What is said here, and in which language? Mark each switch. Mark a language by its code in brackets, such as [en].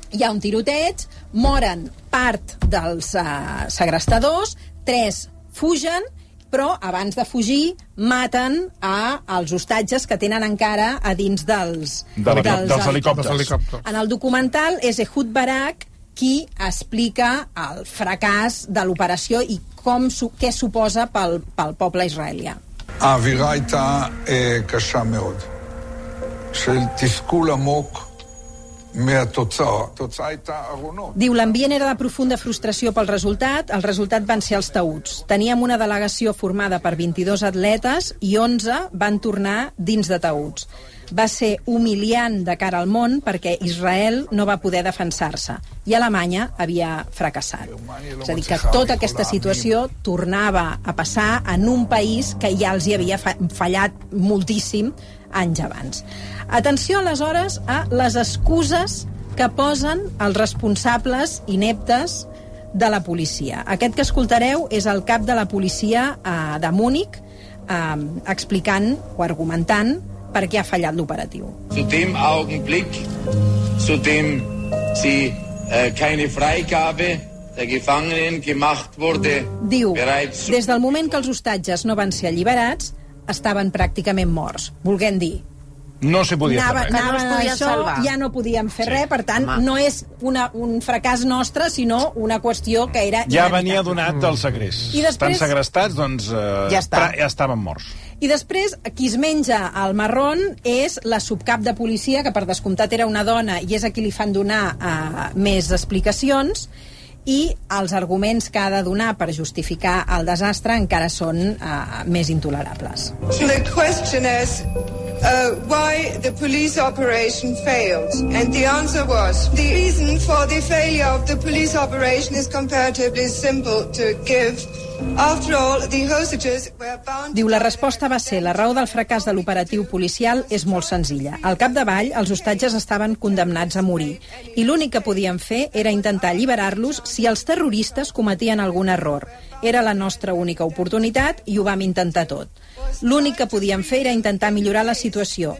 [ca] Hi ha un tiroteig, moren part dels segrestadors, tres fugen, però abans de fugir maten a els hostatges que tenen encara a dins dels helicòpters. En el documental és Ehud Barak qui explica el fracàs de l'operació i com què suposa pel poble israelià. [he] האווירה הייתה קשה מאוד, של תסכול עמוק מהתוצאה. התוצאה הייתה ארונות. [ca] Diu, l'ambient era de profunda frustració pel resultat. El resultat van ser els taüts. Teníem una delegació formada per 22 atletes i 11 van tornar dins de taüts. Va ser humiliant de cara al món perquè Israel no va poder defensar-se i Alemanya havia fracassat. És a dir, que tota aquesta situació tornava a passar en un país que ja els hi havia fallat moltíssim anys abans. Atenció, aleshores, a les excuses que posen els responsables ineptes de la policia. Aquest que escoltareu és el cap de la policia de Múnich explicant o argumentant per què ha fallat l'operatiu. [de] Zu dem Augenblick, zu dem sie keine Freigabe der Gefangenen gemacht wurde. [ca] Diu, des del moment que els hostatges no van ser alliberats, estaven pràcticament morts. Volguem dir, no se podia anava, fer res. Anava, no això, ja no podíem fer sí. res, per tant, Home. No és un fracàs nostre, sinó una qüestió que era... Ja venia donat el segrest. I després, estan segrestats, doncs ja, està. Ja estaven morts. I després, qui es menja el marron és la subcap de policia, que per descomptat era una dona, i és a qui li fan donar més explicacions, i els arguments que ha de donar per justificar el desastre encara són més intolerables. [en] The question is why the police operation failed. And the answer was, the reason for the failure of the police operation is comparatively simple to give. After all, the hostages were bound... [ca] Diu, la resposta va ser, la raó del fracàs de l'operatiu policial és molt senzilla. Al capdavall, els hostatges estaven condemnats a morir, i l'únic que podien fer era intentar alliberar-los si els terroristes cometien algun error. Era la nostra única oportunitat i ho vam intentar tot. L'únic que podíem fer era intentar millorar la situació.